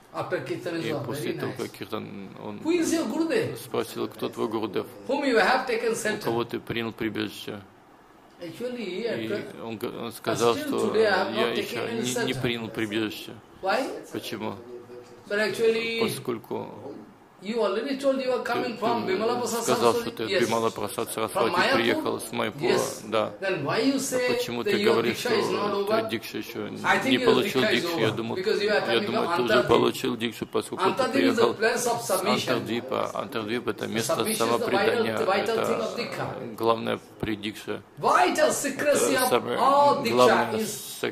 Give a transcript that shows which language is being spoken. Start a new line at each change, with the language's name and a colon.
Russian: И после того, как киртан, он спросил, кто твой гурудев, у кого ты принял прибежище. И он сказал, что я еще не принял прибежище. Почему? Поскольку...
English: You already told you are coming from Bimala Prasad Saraswati.
Russian: Сказал, что ты Бимала Прасад Сарасвати приехал с Майпура, да.
English: Then why you say that your диксха is not over?
Russian: Ты диксха еще не получил диксху. Я думаю, ты уже получил диксху, поскольку ты приехал с Антардвипа. Антардвипа — это место самопредания, это главное при диксха.
English: Vital secrecy of all диксха is submission.